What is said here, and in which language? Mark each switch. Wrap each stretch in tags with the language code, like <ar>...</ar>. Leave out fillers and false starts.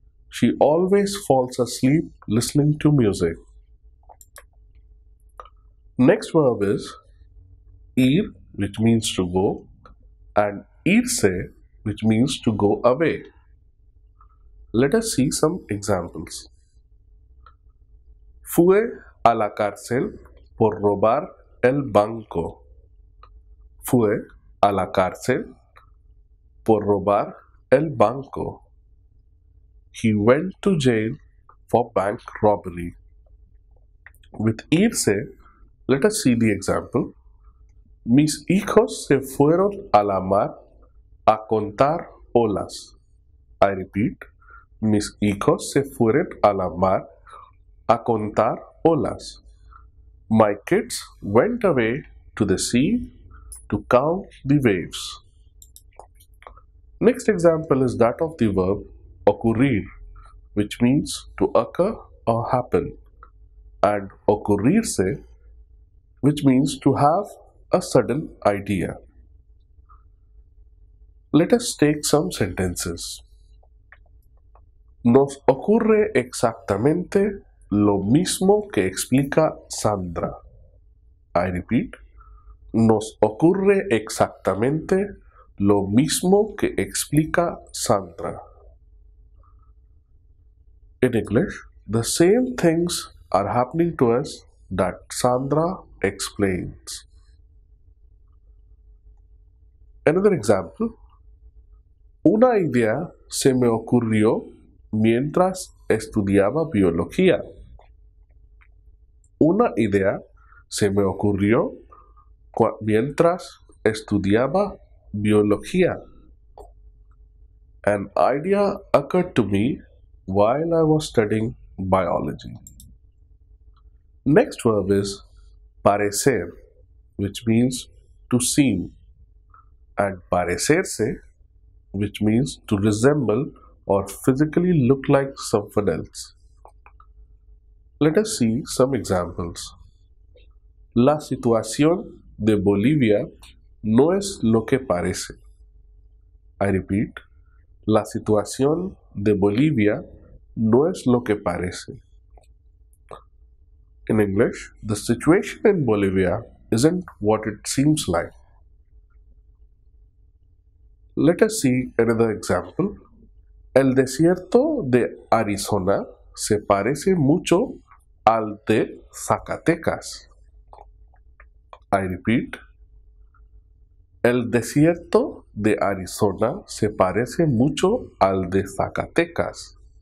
<en>She always falls asleep listening to music. Next verb is ir, which means to go, and irse, which means to go away. Let us see some examples.</en> <es>Fue a la cárcel por robar el banco. Fue a la cárcel por robar el banco.</es> <en>He went to jail for bank robbery. With irse, let us see the example.</en> <es>Mis hijos se fueron a la mar a contar olas.</es> <en>I repeat.</en> <es>Mis hijos se fueron a la mar a contar olas.</es> <en>My kids went away to the sea to count the waves. Next example is that of the verb ocurrir, which means to occur or happen. And ocurrirse, which means to have a sudden idea. Let us take some sentences.</en> <es>Nos ocurre exactamente lo mismo que explica Sandra.</es> <en>I repeat.</en> <es>Nos ocurre exactamente lo mismo que explica Sandra.</es> <en>In English, the same things are happening to us that Sandra explains. Another example.</en> <es>Una idea se me ocurrió mientras estudiaba biología. Una idea se me ocurrió mientras estudiaba biología.</es> <en>An idea occurred to me while I was studying biology. Next verb is parecer, which means to seem, and parecerse, which means to resemble or physically look like someone else. Let us see some examples.</en> <es>La situación de Bolivia no es lo que parece.</es> <en>I repeat,</en> <es>la situación de Bolivia no es lo que parece.</es> <en>In English, the situation in Bolivia isn't what it seems like. Let us see another example.</en> <es>El desierto de Arizona se parece mucho al de Zacatecas.</es> <en>I repeat,</en> <es>el desierto de Arizona se parece mucho al de Zacatecas.</es>